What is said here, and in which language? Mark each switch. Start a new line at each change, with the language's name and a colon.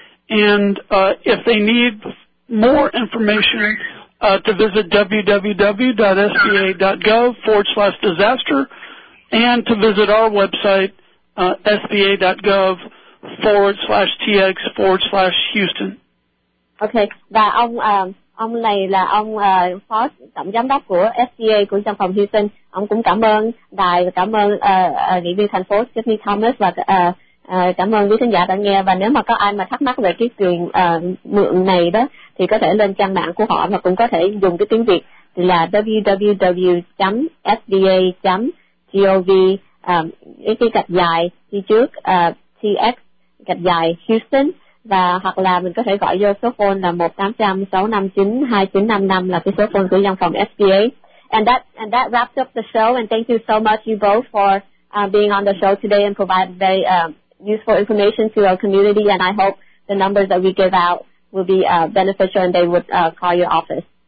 English: And if they need more information, to visit www.sba.gov/disaster and to visit our website, sba.gov/tx/Houston. Okay.
Vietnamese: Và ông này là ông phó tổng giám đốc của SBA của trong phòng Houston. Ông cũng cảm ơn đài và cảm ơn nghị viên thành phố Sydney Thomas và cảm ơn quý khán giả đã nghe. Và nếu mà có ai mà thắc mắc về cái quyền mượn này đó thì có thể lên trang mạng của họ và cũng có thể dùng cái tiếng Việt là www.sba.gov cái gạch dài đi trước TX gạch dài Houston, và hoặc là mình có thể gọi vô số phone là 1-800-659-2955 là cái số phone của văn phòng SBA.
English: And that wraps up the show, and thank you so much you both for being on the show today and provide very useful information to our community, and I hope the numbers that we give out will be beneficial and they would call your office.